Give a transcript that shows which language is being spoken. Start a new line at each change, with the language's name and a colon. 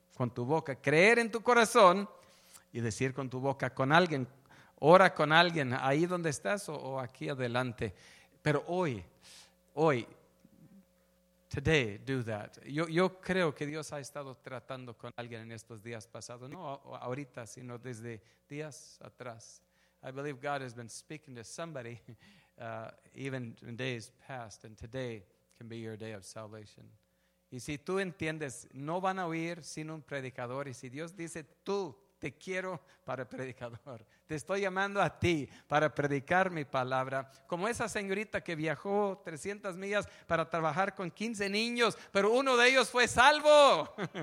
Spanish: Con tu boca, creer en tu corazón y decir con tu boca con alguien. Ora con alguien ahí donde estás o aquí adelante. Pero hoy,
English: today, do that.
Spanish: Yo creo que Dios ha estado tratando con alguien en estos días pasados. No ahorita, sino desde días atrás.
English: I believe God has been speaking to somebody even in days past, and today can be your day of salvation.
Spanish: Y si tú entiendes, no van a oír sin un predicador. Y si Dios dice, tú, te quiero para predicador. Te estoy llamando a ti para predicar mi palabra. Como esa señorita que viajó 300 millas para trabajar con 15 niños, pero uno de ellos fue salvo.